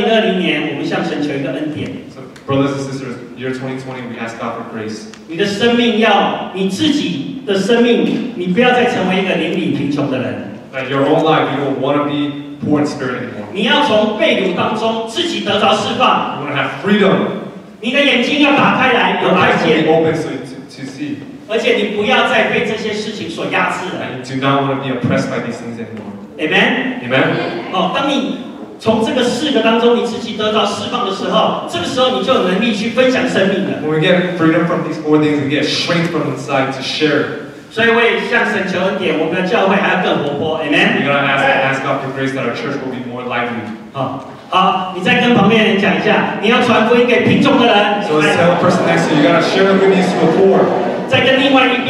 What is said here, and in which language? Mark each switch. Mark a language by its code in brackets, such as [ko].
[zh] 所以，亲爱的弟兄姐妹，2020年我们向神求一个恩典。 [en] So brothers and sisters, year 2020, we ask God for grace. [zh] 你的生命要你自己的生命，你不要再成为一个怜悯贫穷的人。 [en] That your own life, you don't want to be poor in spirit anymore. [zh] 你要从被掳当中自己得着释放。 [en] You want to have freedom. [zh] 你的眼睛要打开来，有看见。 [en] Your eyes will be open to see. [zh] 而且你不要再被这些事情所压制了。 [en] Do not want to be oppressed by these things anymore. Amen. Amen. [zh] 哦，当你从这个四个当中你自己得到释放的时候，这个时候你就有能力去分享生命了。 [en] When we get freedom from these four things, we get strength from inside to share. [zh] 所以为向神求恩典，我们的教会还要更活泼。Amen. [en] We're gonna ask God for grace that our church will be more lively. [zh] 好，你再跟旁边人讲一下，你要传福音给贫穷的人。 [en] So let's tell the person next to you, you gotta share good news to the poor.